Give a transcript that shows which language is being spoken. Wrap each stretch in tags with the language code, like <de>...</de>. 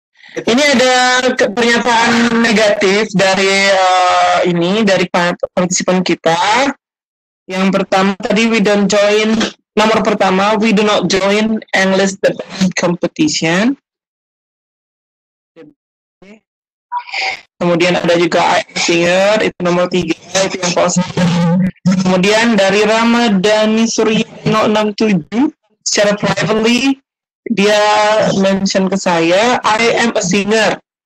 <id>Ini ada pernyataan negatif dari ini dari partisipan kita. Yang pertama tadi</id> <en>we don't join,</en> <id>nomor pertama</id> <en>we do not join English debate competition.</en> <id>Kemudian ada juga</id> <en>I singer,</en> <id>itu nomor tiga, itu yang positif. Kemudian dari Ramadhani Surya 067 secara privately. Dia mention ke saya,</id> <en>I am a singer.</en>